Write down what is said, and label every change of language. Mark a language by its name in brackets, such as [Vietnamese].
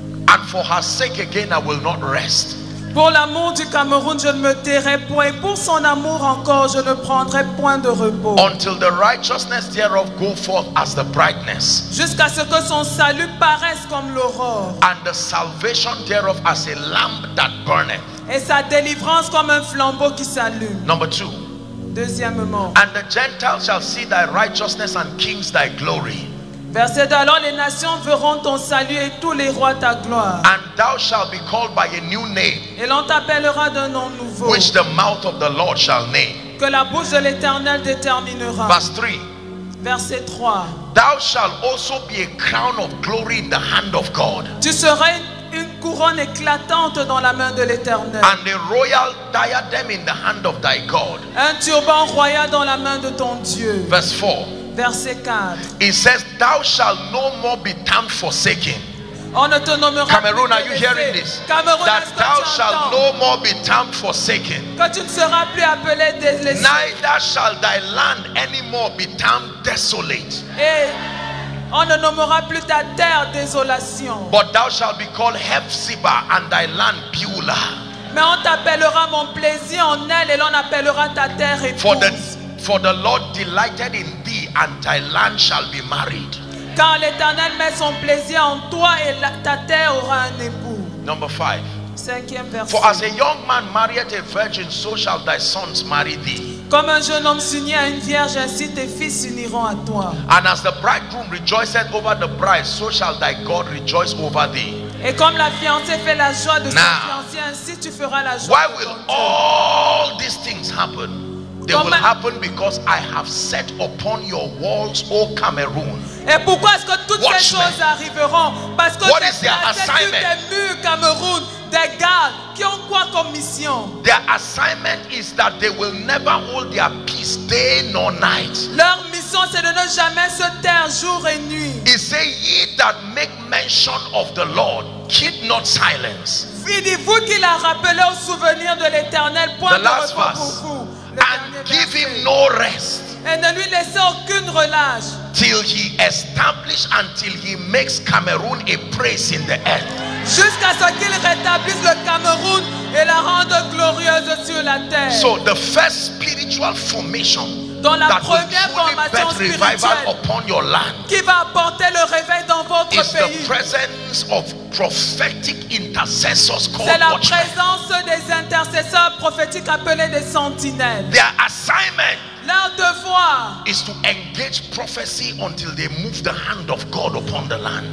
[English] And for her sake again, I will not rest. [French] Pour l'amour du Cameroun, je ne me tairai point. Pour son amour encore, je ne prendrai point de repos. [English] Until the righteousness thereof go forth as the brightness. [French] Jusqu'à ce que son salut paraisse comme l'aurore. [English] And the salvation thereof as a lamp that burneth. [French] Et sa délivrance comme un flambeau qui s'allume. [English] Number two. [French] Deuxièmement. [English] And the Gentiles shall see thy righteousness and kings thy glory. [French] Verset 2, alors les nations verront ton salut et tous les rois ta gloire. [English] And thou shalt be called by a new name. [French] Et l'on t'appellera d'un nom nouveau. [English] Which the mouth of the Lord shall name. [French] Que la bouche de l'Éternel déterminera. [English] Verse 3. [French] Verset 3. [English] Thou shalt also be a crown of glory in the hand of God. [French] Tu seras une couronne éclatante dans la main de l'Éternel. [English] And a royal diadem in the hand of thy God. [French] Un turban royal dans la main de ton Dieu. [English] Verse 4. [French] Verset [English] 4. It says, thou shalt no more be termed forsaken. [French] On ne te nommera [English] Cameroon, are you hearing this? Cameroon, that thou shalt no more be termed forsaken. [French] Que tu ne seras plus appelé délaissé. [English] Neither shall thy land anymore be termed desolate. [French] Et on ne nommera plus ta terre désolation. [English] But thou shalt be called Hephzibah and thy land Beulah. [French] Mais on t'appellera mon plaisir en elle et l'on appellera ta terre épouse. [English] For the Lord delighted in thee. And thy land shall be married. [French] Car l'Éternel met son plaisir en toi et ta terre aura un époux. [English] Number 5. [French] Cinquième verset. [English] For as a young man marrieth a virgin, so shall thy sons marry thee. [French] Comme un jeune homme s'unit à une vierge, ainsi tes fils s'uniront à toi. [English] And as the bridegroom rejoiceth over the bride, so shall thy God rejoice over thee. [French] Et comme la fiancée fait la joie de son fiancé, ainsi tu feras la joie. [English] Why will all these things happen? They will happen because I have set upon your walls, O Cameroon. [French] Et pourquoi est-ce que toutes ces choses arriveront? Parce que [English] what is their assignment? [French] Murs, Cameroun, des gardes qui ont quoi comme mission? [English] Their assignment is that they will never hold their peace day nor night. [French] Leur mission c'est de ne jamais se taire jour et nuit. [English] He said, ye that make mention of the Lord, keep not silence. [French] Dites-vous qu'il a rappelé au souvenir de l'Éternel, point de repos pour vous. [English] And give him no rest. [French] Et ne lui laissez aucune relâche. [English] Till he establish, until he makes Cameroon a praise in the earth. [French] Jusqu'à ce qu'il rétablisse le Cameroun et la rende glorieuse sur la terre. [English] So the first spiritual formation. [French] Dans la première formation spirituelle qui va apporter le réveil dans votre pays, c'est la présence des intercesseurs prophétiques appelés des sentinelles. [English] Their assignment, [French] leur devoir, [English] is to engage prophecy until they move the hand of God upon the land.